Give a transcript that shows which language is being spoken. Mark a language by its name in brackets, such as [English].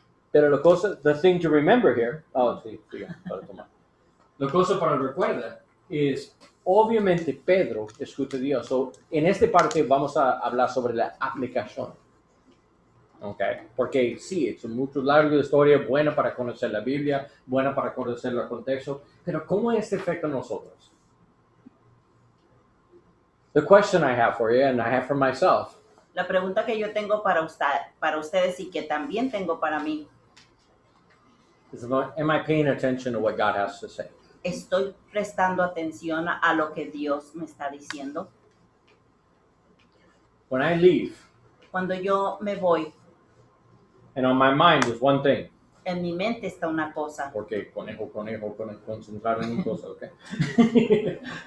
[Spanish] Pero la cosa, [English] the thing to remember here, [Spanish] la cosa para recuerda es, obviamente Pedro escucha a Dios. So, en esta parte vamos a hablar sobre la aplicación. Okay. Porque sí, es una mucho larga historia, buena para conocer la Biblia, buena para conocer el contexto. Pero ¿cómo este afecta a nosotros? [English] The question I have for you and I have for myself. [Spanish] La pregunta que yo tengo para usted, para ustedes y que también tengo para mí. [English] Is about, am I paying attention to what God has to say? [Spanish] ¿Estoy prestando atención a lo que Dios me está diciendo? [English] When I leave. [Spanish] Cuando yo me voy. [English] And on my mind is one thing. [Spanish] En mi mente está una cosa. Porque conejo, concentrar en una cosa, okay?